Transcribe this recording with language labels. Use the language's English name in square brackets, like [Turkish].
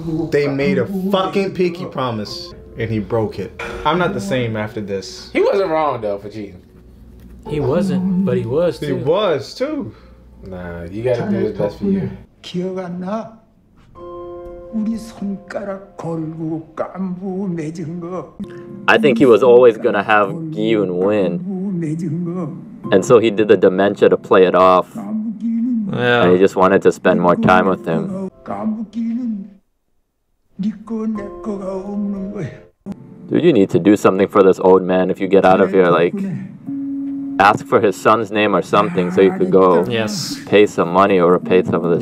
[English] They made a fucking pinky promise, and he broke it. I'm not the same after this. He wasn't wrong, though, for cheating. He wasn't, but he was, too. He was, too. Nah, you gotta do the best for you. [Korean] 기억 안 나? 우리 손가락 걸고 깜부 맺은 거. [English] I think he was always gonna have Gyun win. And so he did the dementia to play it off. Yeah. And he just wanted to spend more time with him. [Korean] 깜부기는 네 거 내 거가 없는 거야. [English] Dude, you need to do something for this old man if you get out of here, like... Ask for his son's name or something so you could go yes. pay some money or pay some of this.